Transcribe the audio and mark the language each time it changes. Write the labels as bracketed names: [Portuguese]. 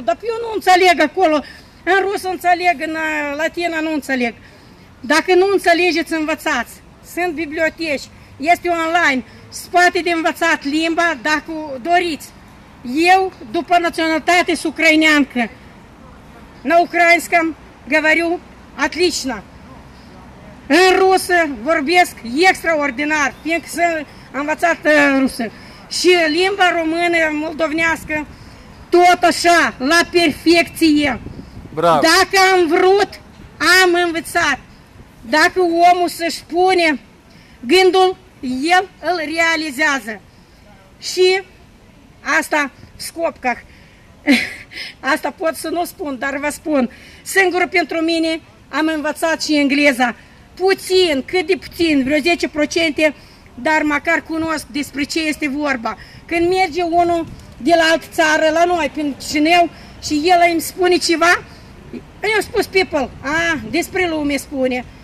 [Romanian] Dar eu nu înțeleg acolo. În rusă înțeleg, în latină nu înțeleg. Dacă nu înțelegeți, învățați. Sunt biblioteci, este online. Poate de învățat limba dacă doriți. Eu, după naționalitate, sunt ucraineancă. [Russian] На украинском говорю отлично. [Romanian] În rusă vorbesc extraordinar, fiindcă sunt învățat rusă. Și limba română, moldovnească, tot așa, la perfecție. Bravo. Dacă am vrut, am învățat. Dacă omul să-și pune gândul, el îl realizează. Și asta [Russian] в скобках. [Romanian] Asta pot să nu spun, dar vă spun. Singurul pentru mine am învățat și engleza. Puțin, cât de puțin, vreo 10%, dar măcar cunosc despre ce este vorba. Când merge unul de la altă țară la noi, prin Chișinău, și el îmi spune ceva, eu spus people, a, despre lume spune.